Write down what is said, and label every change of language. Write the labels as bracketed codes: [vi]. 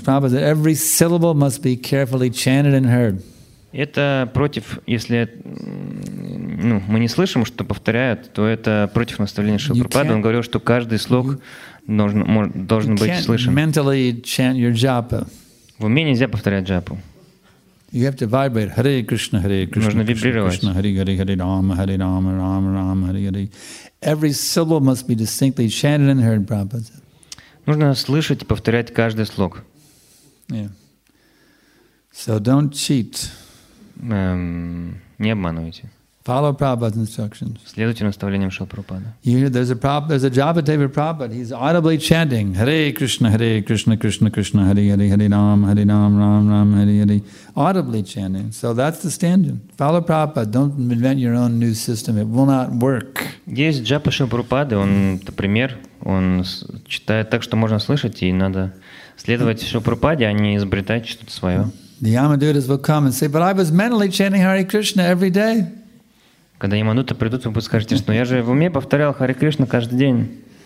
[en] Prabhupada said every syllable must be carefully chanted and heard. [ru] Это против, если мы не слышим, что повторяют, то это против наставления Шрилы Прабхупады. Он говорил, что каждый слог должен быть слышен. [en] Mentally chant your japa. [ru] В уме нельзя повторять джапу. [en] You have to vibrate. Hare Krishna, Hare Krishna. [ru] Нужно вибрировать. [sa] Hare Hare, Hare Rama, Hare Rama, Rama Rama, Hare Hare. [en] Every syllable must be distinctly chanted and heard, Prabhupada. [ru] Нужно слышать и повторять каждый слог. [en] Yeah. So don't cheat. [ru] Не обманывайте. [en] Follow Prabhupada's instructions. [ru] Следуйте наставлениям Шрилы Прабхупады. [en] You hear there's a japa table of Prabhupada. He's audibly chanting [sa] Hare Krishna, Hare Krishna, Krishna Krishna, Hare Hare, [en] Hare Rama, Hare Rama, Rama Rama, Hare Hare. Audibly chanting. So that's the standard. Follow Prabhupada. Don't invent your own new system. It will not work. [ru] Есть джапа Шрилы Прабхупады. Он это пример. Он читает так, что можно слышать, и надо следовать Шрилы Прабхупаде, а не изобретать что-то свое. [en] The Yamadutas will come and say, but I was mentally chanting Hare Krishna every day. [ru] Когда Ямадута придут, вы будете скажете, что я же в уме повторял Харе Кришна каждый день.